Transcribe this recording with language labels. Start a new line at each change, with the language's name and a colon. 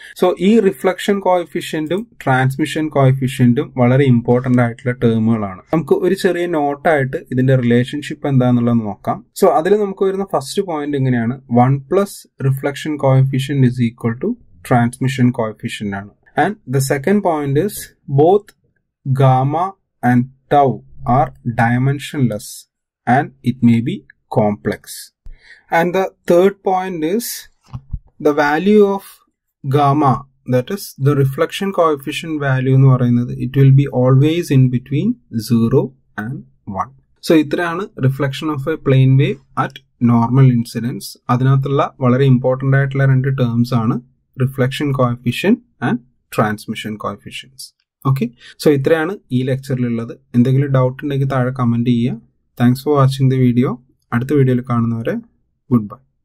Malayalam: So ഈ reflection കോയിഫിഷ്യൻറ്റും transmission കോയിഫിഷ്യൻറ്റും വളരെ important ആയിട്ടുള്ള ടേമുകളാണ്. നമുക്ക് ഒരു ചെറിയ നോട്ടായിട്ട് ഇതിൻ്റെ റിലേഷൻഷിപ്പ് എന്താണെന്നുള്ളത് നോക്കാം. സോ അതിൽ നമുക്ക് വരുന്ന ഫസ്റ്റ് പോയിന്റ് ഇങ്ങനെയാണ്,
English: one plus reflection coefficient is equal to transmission coefficient
Malayalam: ആണ്.
English: And the second point is both gamma and tau are dimensionless and it may be complex. And the third point is the value of gamma, that is the reflection coefficient value
Malayalam: nu parayunnathu,
English: it will be always in between 0 and 1. So ഇത്രയാണ് reflection of a plane wave at normal incidence.
Malayalam: അതിനകത്തുള്ള വളരെ important ആയിട്ടുള്ള രണ്ട് terms ആണ് reflection coefficient and transmission coefficients. Okay, so ഇത്രയാണ് ഈ ലെക്ചറിലുള്ളത്. എന്തെങ്കിലും doubt ഉണ്ടെങ്കിൽ താഴെ കമൻറ്റ് ചെയ്യുക.
English: Thanks for watching the video.
Malayalam: അടുത്ത വീഡിയോയിൽ കാണുന്നവരെ ഗുഡ് ബൈ.